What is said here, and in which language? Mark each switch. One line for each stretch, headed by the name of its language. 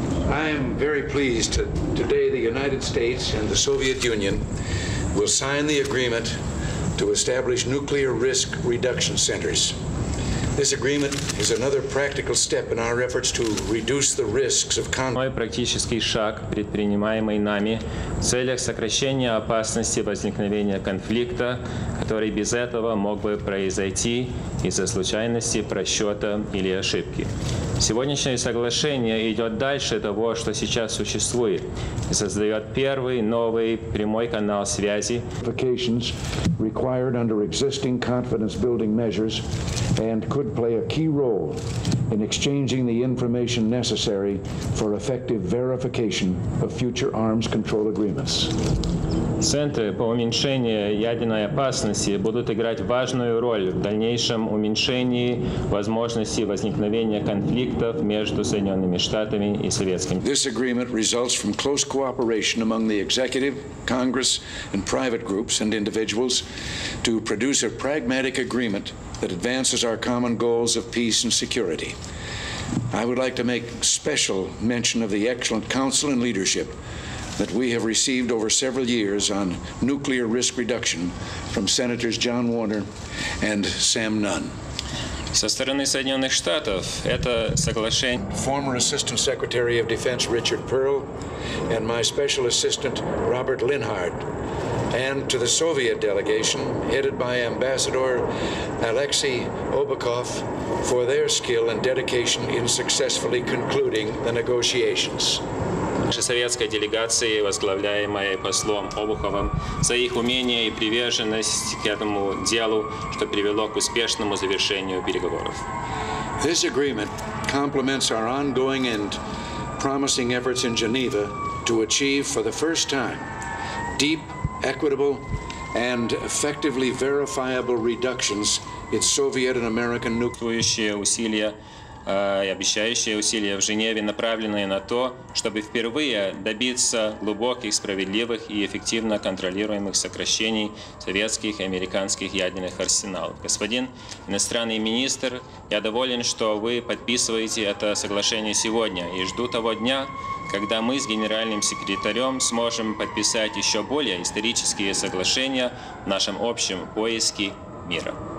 English: I am very pleased that today the United States and the Soviet Union will sign the agreement to establish nuclear risk reduction centers. This agreement is another practical step in our efforts to reduce the risks of conflict.
Russian: Практический шаг, предпринимаемый нами в целях сокращения опасности возникновения конфликта, который без этого мог бы произойти из-за случайности, просчета или ошибки. Сегодняшнее соглашение идет дальше того, что сейчас существует, и создает первый новый прямой канал связи.
English: Applications required under existing confidence-building measures and could play a key role in exchanging the information necessary for effective verification of future arms control agreements.
Russian: Центры по уменьшению ядерной опасности будут играть важную роль в дальнейшем уменьшении возможности возникновения конфликтов между Соединенными Штатами и Советским Союзом.
English: This agreement results from close cooperation among the executive, Congress, and private groups and individuals to produce a pragmatic agreement that advances our common goals of peace and security. I would like to make special mention of the excellent counsel and leadership that we have received over several years on nuclear risk reduction from Senators John Warner and Sam Nunn.
Russian: Со стороны Соединенных Штатов это соглашение.
English: Former Assistant Secretary of Defense Richard Perle and my special assistant Robert Linhart. And to the Soviet delegation, headed by Ambassador Alexei Obukhov, for their skill and dedication in successfully concluding the negotiations.
Russian: Наша советская делегация, возглавляемая послом Обуховым, за их умение и приверженность к этому делу, что привело к успешному завершению переговоров.
English: This agreement complements our ongoing and promising efforts in Geneva to achieve for the first time deep, equitable and effectively verifiable reductions in Soviet and American
Russian: nuclear усилия и обещающие усилия в Женеве, направленные на то, чтобы впервые добиться глубоких, справедливых и эффективно контролируемых сокращений советских и американских ядерных арсеналов. Господин иностранный министр, я доволен, что вы подписываете это соглашение сегодня и жду того дня, когда мы с генеральным секретарем сможем подписать еще более исторические соглашения в нашем общем поиске мира.